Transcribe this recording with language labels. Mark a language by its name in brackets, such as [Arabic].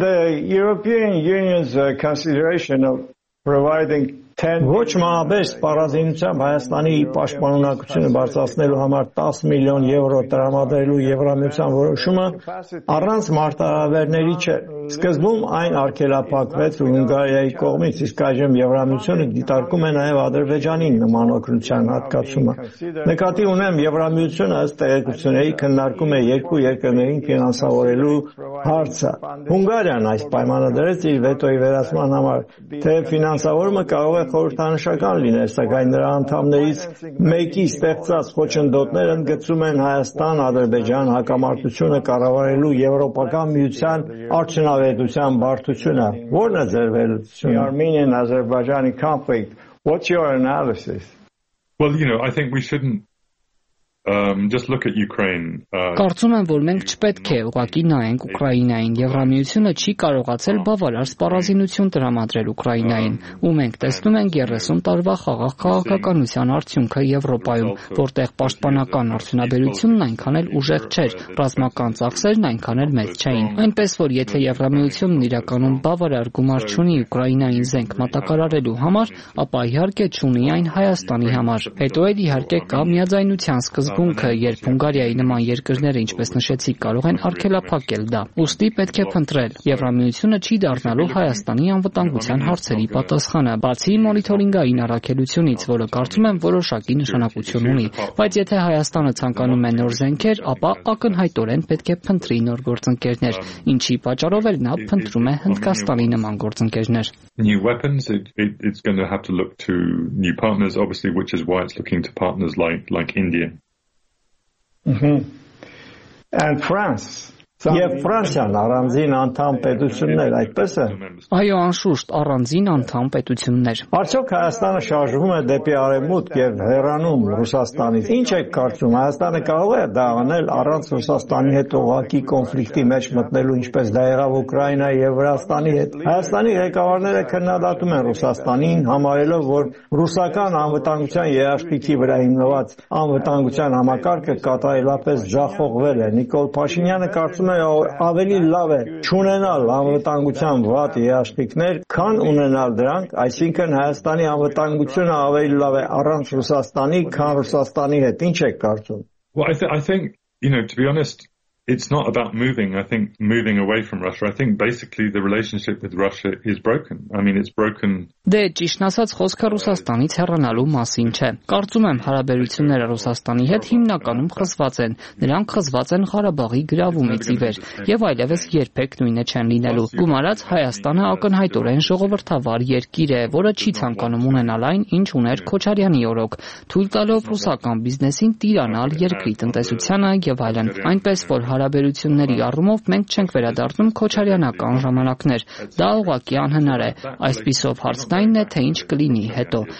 [English] the European Union's consideration of providing 10 [Armenian] ոչ մաբես պարազինությամբ Հայաստանի պաշտպանունակությունը բարձրացնելու համար 10 միլիոն եվրո տրամադրելու Եվրամիության որոշումը առանց մարտահրավերների չէ։ Սկզբում այն արգելափակվեց Ունգարիայի կողմից, իսկ այժմ Եվրամիությունը դիտարկում է նաև Ադրբեջանի նմանօգնության հատկացումը։ Նկատի ունեմ, Եվրամիությունը ըստ տեղեկությունների քննարկում է երկու երկրներին ֆինանսավորելու հարցը։ Հունգարիան այս պայմանադրեց իր վետոյի վերացման համար, թե ֆինանսավորումը կարող է խորհրդանշական լինել, սակայն նրա անդամներից մեկի ստեղծած խոչընդոտներ ընդգծում են Հայաստան-Ադրբեջան հակամարտությունը կառավարելու Եվրոպական միության արդյունքը նավետության բարդությունը, որն է ձեր վերլուծությունը? [English] The Armenian-Azerbaijani conflict, what's your analysis? Well, you know, I think we shouldn't just look at Ukraine. [Armenian] Կարծում եմ, որ մենք չպետք է ուղղակի նայենք Ուկրաինային։ Եվրամիությունը չի կարողացել բավարար սպառազինություն տրամադրել Ուկրաինային, ու մենք տեսնում ենք 30 տարվա խաղաղ քաղաքականության արդյունքը Եվրոպայում, որտեղ պաշտպանական արդյունաբերությունն այնքան էլ ուժեղ չէր, ռազմական ծախսերն այնքան էլ մեծ չէին։ Այնպես որ, եթե Եվրամիությունն իրականում բավարար գումար չունի Ուկրաինային զենք մատակարարելու համար, ապա իհարկե չունի այն Հայաստանի համար։ Հետո էլ իհարկե կա միաձայնության սկզբունքը, երբ Հունգարիայի նման երկրները, ինչպես նշեցի, կարող են արգելափակել դա, ուստի պետք է փնտրել։ Եվրամիությունը չի դառնալու Հայաստանի անվտանգության հարցերի պատասխանը, բացի մոնիթորինգային առաքելությունից, որը կարծում եմ որոշակի նշանակություն ունի, բայց եթե Հայաստանը ցանկանում է նոր զենքեր, ապա ակնհայտորեն պետք է փնտրի նոր գործընկերներ, ինչի պատճառով էլ նա փնտրում է Հնդկաստանի նման գործընկերներ։ [English] New weapons, it's going to have to look to new partners, obviously, which is why it's looking to partners like India. And France. [Armenian] Եվ Ֆրանսիան առանձին անդամ պետություններ, այդպես է։ Այո, անշուշտ առանձին անդամ պետություններ։ Արդյոք Հայաստանը շարժվում է դեպի արևմուտք եւ հեռանում Ռուսաստանից։ Ինչ եք կարծում, Հայաստանը կարող է դա անել առանց Ռուսաստանի հետ ուղղակի կոնֆլիկտի մեջ մտնելու, ինչպես դա եղավ Ուկրաինայի եւ Վրաստանի հետ։ Հայաստանի ղեկավարները քննադատում են Ռուսաստանին, համարելով, որ ռուսական անվտանգության երաշխիքի վրա հիմնված անվտանգության համակարգը կատարելապես ժախողվել է։ Նիկոլ Փաշինյանը կարծում է ավելի լավ է չունենալ անվտանգության վատ երաշխիքներ, քան ունենալ դրանք, այսինքն Հայաստանի անվտանգությունը ավելի լավ է առանց Ռուսաստանի, քան Ռուսաստանի հետ։ Ինչ եք կարծում? [English] I think, you know, to be honest, it's not about moving away from Russia. I think basically the relationship with Russia is broken. I mean, it's broken. [Armenian] Դե ճիշտն ասած, խոսքը Ռուսաստանից հեռանալու մասին չէ։ Կարծում եմ, հարաբերությունները Ռուսաստանի հետ հիմնականում խզված են։ Նրանք խզված են Ղարաբաղի գրավումից ի վեր, եւ այլևս երբեք նույնը չեն լինելու։ Գումարած Հայաստանը ակնհայտորեն ժողովրդավար երկիր է, որը չի ցանկանում ունենալ այն, ինչ ուներ Քոչարյանի օրոք, թույլ տալով ռուսական բիզնեսին տիրանալ երկրի տնտեսությանը եւ այլն։ Այնպես որ հարաբերությունների առումով մենք չենք վերադառնում քոչարյանական ժամանակներ։ Դա ուղղակի անհնար է։ Այսպիսով հարցնային է, թե ինչ կլինի հետո,